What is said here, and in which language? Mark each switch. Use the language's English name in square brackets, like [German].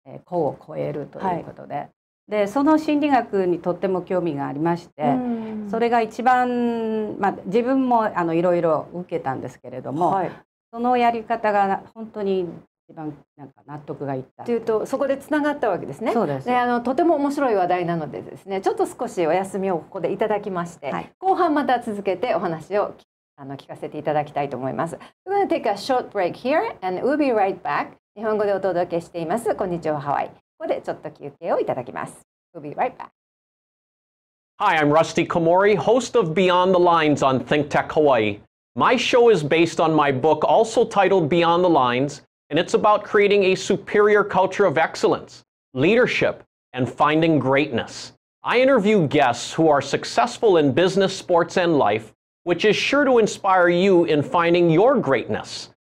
[Japanese] 個を超えるということで、はい、でその心理学にとっても興味がありまして、それが一番、まあ、自分もいろいろ受けたんですけれども、はい、そのやり方が本当に一番なんか納得がいったというと、そこでつながったわけですね。そうです。で、とても面白い話題なのでですね、ちょっと少しお休みをここでいただきまして、はい、後半また続けてお話を聞かせていただきたいと思います。 [English] We're going to take a short break here and we'll be right back. [Japanese] 日本語でお届けしています、こんにちはハワイ。ここでちょっと休憩をいただきます。 [English] We'll be right back. Hi, I'm Rusty Komori, host of Beyond the Lines on ThinkTech Hawaii. My show is based on my book also titled Beyond the LinesAnd it's about creating a superior culture of excellence, leadership, and finding greatness. I interview guests who are successful in business, sports, and life, which is sure to inspire you in finding your greatness.